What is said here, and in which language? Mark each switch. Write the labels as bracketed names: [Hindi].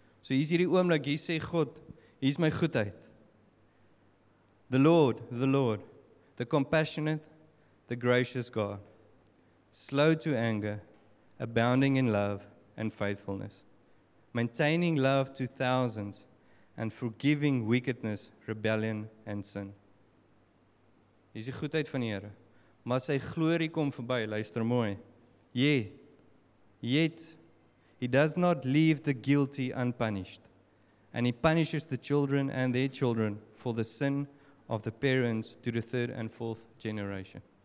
[Afrikaans] So hier is hierdie oomblik, hier sê God, hier is my goedheid. [English] The Lord, the compassionate, the gracious God. Slow to anger, abounding in love and faithfulness, maintaining love to thousands, and forgiving wickedness, rebellion and sin. [Afrikaans] Hier is die goedheid van die Here, maar sy glorie kom verby, luister mooi. [English] Yet, he does not leave the guilty unpunished, and he punishes the children and their children for the sin of the parents to the third and fourth generation.